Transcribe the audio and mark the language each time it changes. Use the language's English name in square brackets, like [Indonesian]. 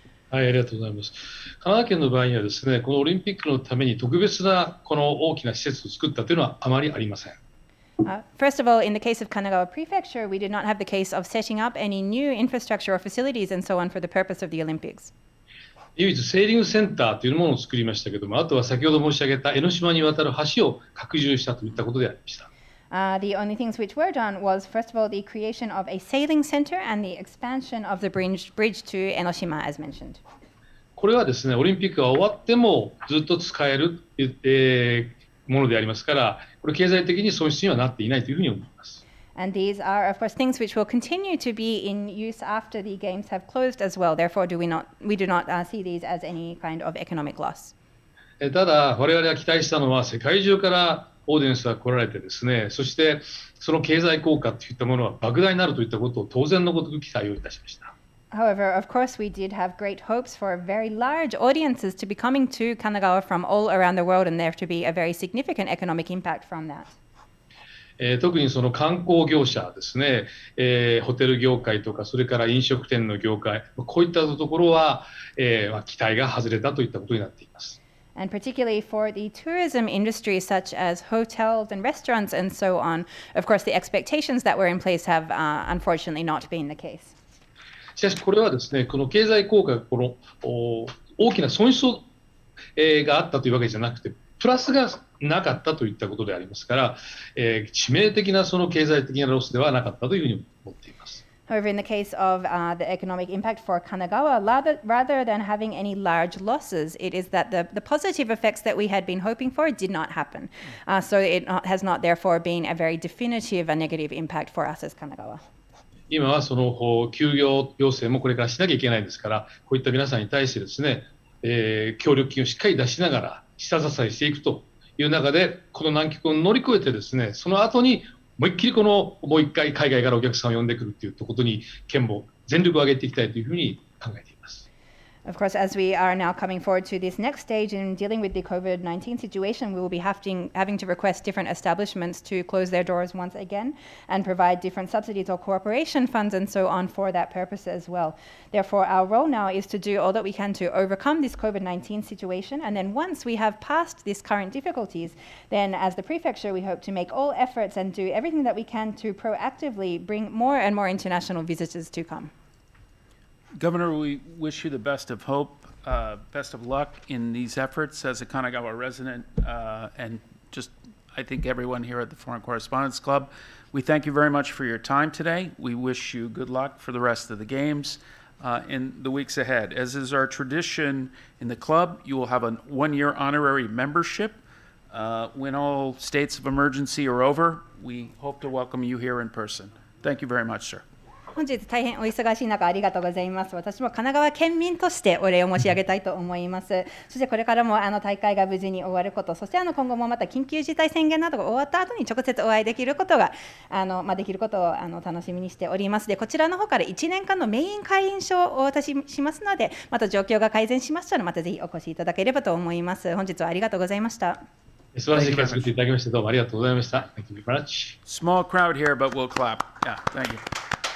[Japanese] はい、ありがとうございます。神奈川県の場合にはですね、このオリンピックのために特別なこの大きな施設を作ったというのはあまりありません。 [English] First of all, in the case of Kanagawa Prefecture, we did not have the case of setting up any new infrastructure or facilities and so on for the purpose of the Olympics. [Japanese] 唯一セーリングセンターというものを作りましたけども、あとは先ほど申し上げた江ノ島に渡る橋を拡充したといったことでありました。 [English] The only things which were done was, first of all, the creation of a sailing center and the expansion of the bridge to Enoshima, as mentioned. [Japanese] これはですね、オリンピックが終わってもずっと使える、ものでありますから、これ経済的に損失にはなっていないというふうに思います。 [English] And these are, of course, things which will continue to be in use after the games have closed as well. Therefore, we do not see these as any kind of economic loss. [Japanese] ただ、我々が期待したのは世界中からオーディエンスが来られてですね、そしてその経済効果といったものは莫大になるといったことを当然のごとく期待をいたしました。 [English] However, of course, we did have great hopes for very large audiences to be coming to Kanagawa from all around the world and there to be a very significant economic impact from that. [Japanese] 特にその観光業者ですね、ホテル業界とかそれから飲食店の業界、こういったところは、期待が外れたといったことになっています。 [English] And particularly for the tourism industry, such as hotels and restaurants and so on, of course, the expectations that were in place have unfortunately not been the case. [Japanese] しかしこれはですね、この経済効果がこの大きな損失があったというわけじゃなくて、プラスがなかったといったことでありますから、致命的なその経済的なロスではなかったというふうに思っています。 [English] However, in the case of the economic impact for Kanagawa, rather than having any large losses, it is that the positive effects that we had been hoping for did not happen. So it has not therefore been a very definitive a negative impact for us as Kanagawa. [Japanese] 今はその休業要請もこれからしなきゃいけないですから、こういった皆さんに対してですね、協力金をしっかり出しながら下支えしていくという中で、この難局を乗り越えてですね、その後にもう一気にこのもう一回海外からお客さんを呼んでくるっていうことに県も全力を挙げていきたいというふうに考えています。 [English] Of course, as we are now coming forward to this next stage in dealing with the COVID-19 situation, we will be having to request different establishments to close their doors once again and provide different subsidies or cooperation funds and so on for that purpose as well. Therefore, our role now is to do all that we can to overcome this COVID-19 situation. And then once we have passed these current difficulties, then as the prefecture, we hope to make all efforts and do everything that we can to proactively bring more and more international visitors to come. Governor, we wish you the best of hope, best of luck in these efforts as a Kanagawa resident, and just I think everyone here at the Foreign Correspondents Club. We thank you very much for your time today. We wish you good luck for the rest of the games in the weeks ahead. As is our tradition in the club, you will have a one-year honorary membership. When all states of emergency are over, we hope to welcome you here in person. Thank you very much, sir. [Japanese] 本日大変お忙しい中ありがとうございます。私も神奈川県民としてお礼を申し上げたいと思います。そしてこれからも大会が無事に終わること、そして今後もまた緊急事態宣言などが終わった後に直接お会いできることが、できることを楽しみにしております。で、こちらの方から1年間のメイン会員証をお渡ししますので、また状況が改善しましたら、またぜひお越しいただければと思います。本日はありがとうございました。素晴らしい会作っていただきまして、どうもありがとうございました。 [English] Thank you very much. Small crowd here, but we'll clap. Yeah, thank you.